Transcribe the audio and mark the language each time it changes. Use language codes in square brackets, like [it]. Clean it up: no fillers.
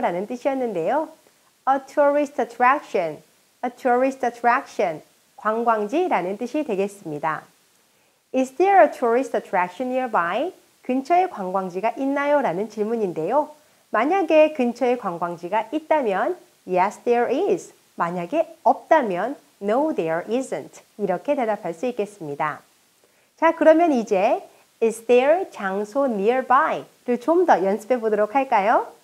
[ko] 라는 뜻이었는데요. [en] A tourist attraction, a tourist attraction, [ko] 관광지라는 뜻이 되겠습니다. [en] Is there a tourist attraction nearby? [ko] 근처에 관광지가 있나요? 라는 질문인데요. 만약에 근처에 관광지가 있다면 [en] Yes, there is. [ko] 만약에 없다면 [en] No, there isn't. [ko] 이렇게 대답할 수 있겠습니다. 자, 그러면 이제 [en] Is there [ko] 장소 nearby? 를 좀 더 연습해 보도록 할까요?